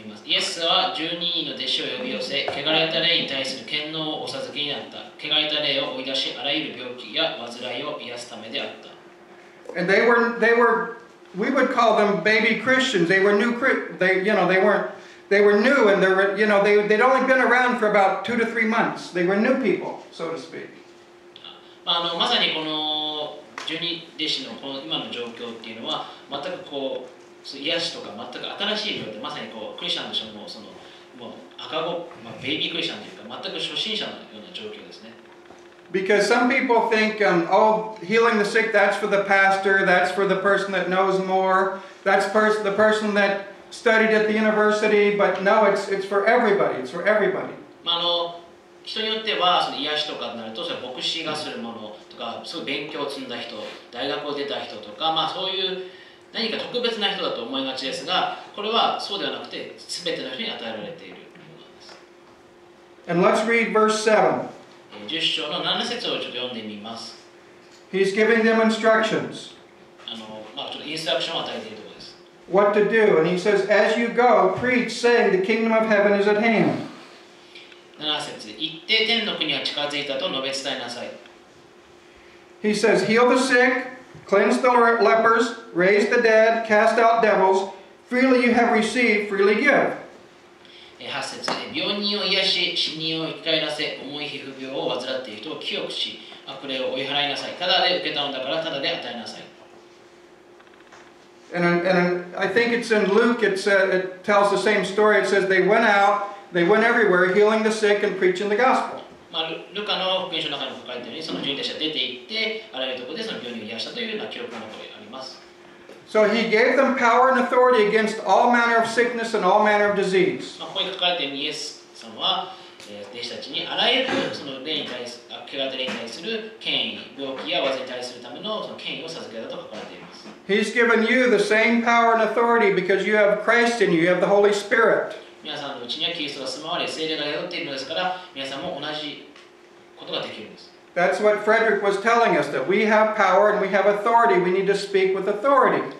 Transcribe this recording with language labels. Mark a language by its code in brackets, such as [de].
[ja] イエスは十二人の弟子を呼び寄せ、汚れた霊に対する権能をお授けになった。汚れた霊を追い出し、あらゆる病気や患いを癒すためであった。 [en] And they were, we would call them baby Christians. They were new, they were new, and they were, you know, they'd only been around for about 2 to 3 months. They were new people, so to speak. [ja] まさにこの十二弟子のこの今の状況っていうのは、全くこう、癒しとか全く新しい状態、まさにこうクリスチャンの人もそのもう赤子、まあ、ベイビークリスチャンというか全く初心者のような状況ですね。 [en] Because some people think, oh, healing the sick, that's for the pastor, that's for the person that knows more, that's the person that studied at the university, but no, it's for everybody, it's for everybody. [ja] まあ、人によってはその癒しとかになると、牧師がするものとか、すごい勉強を積んだ人、大学を出た人とか、まあそういう何か特別な人だと思いがちですが、これはそうではなくて、すべての人に与えられているものです。 [en] And let's read verse 7. [ja] 10章の7節をちょっと読んでみます。 [en] He's giving them instructions. [ja] ちょっとインストラクションを与えているところです。 [en] What to do? And he says, as you go, preach, saying, the kingdom of heaven is at hand. [ja] 7節、行って天の国は近づいたと述べ伝えなさい。 [en] He says, heal the sick. Cleanse the lepers, raise the dead, cast out devils. Freely you have received, freely give. [ja] 8節で病人を癒し、死人を生き返らせ、重い皮膚病を患っている人を清くし、悪霊を追い払いなさい。ただで受けたのだから、ただで与えなさい。 [en] And I think it's in Luke, it tells the same story. It says they went out, they went everywhere, healing the sick and preaching the gospel. [ja] まあ、ルカの福音書の中にも書かれているように、その十二弟子が出て行って、あらゆるところでその病人を癒したというような記録のところがあります。 [en] So he gave them power and authority against all manner of sickness and all manner of disease. [ja] まあ、ここに書かれているイエスさんは、弟子たちにあらゆるその霊に対する、けがた霊に対する権威、病気や患いに対するための、その権威を授けたと書かれています。 [en] He's given you the same power and authority because you have Christ in you, you have the Holy Spirit. [ja] 皆さんのうちにはキリストが住まわれ、聖霊が宿っているのですから、皆さんも同じことができるんです。 [en] That's what Frederick was telling us, that we have power and we have authority. We need to speak with authority.